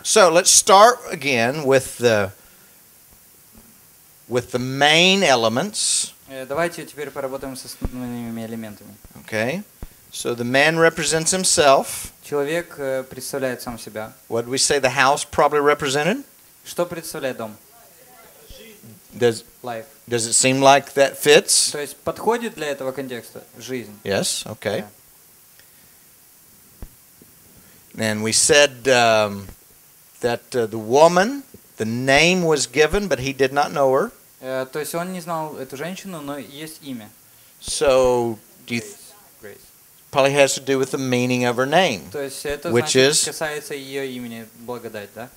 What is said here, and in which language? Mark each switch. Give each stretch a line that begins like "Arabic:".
English: So let's start again with the main elements.
Russian: Давайте теперь поработаем с основными элементами.
English: Okay. So the man represents himself.
Russian: Человек представляет сам себя.
English: What do we say the house probably represented?
Russian: Что представляет дом?
English: Does it seem like that fits?
Russian: То есть подходит для этого контекста жизнь.
English: Yes. Okay. Yeah. And we said that the woman, the name was given, but he did not know her.
Russian: То есть он не знал эту женщину, но есть имя.
English: So do you? Probably has to do with the meaning of her name,
Russian: то есть это
English: which
Russian: значит,
English: is
Russian: касается ее имени благодать, да?